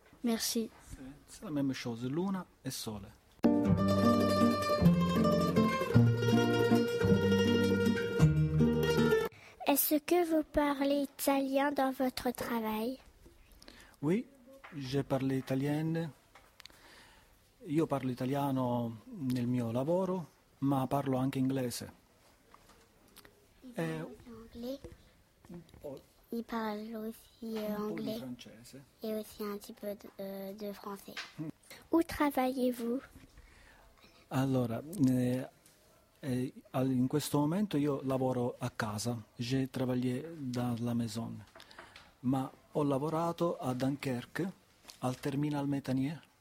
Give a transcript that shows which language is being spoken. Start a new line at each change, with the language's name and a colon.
French: Merci. C'est la même chose,
Italian: luna e sole.
French: Est-ce que vous parlez italien dans votre travail? Oui, je parle italien.
Italian: Io parlo italiano nel mio lavoro, ma parlo anche inglese.
French: Il parle aussi anglais et aussi un petit peu de français. Où travaillez-vous?
Italian: Allora, in questo momento io lavoro a casa,
French: je travaille dans la maison,
Italian: ma ho lavorato a Dunkerque, al terminal Métanier.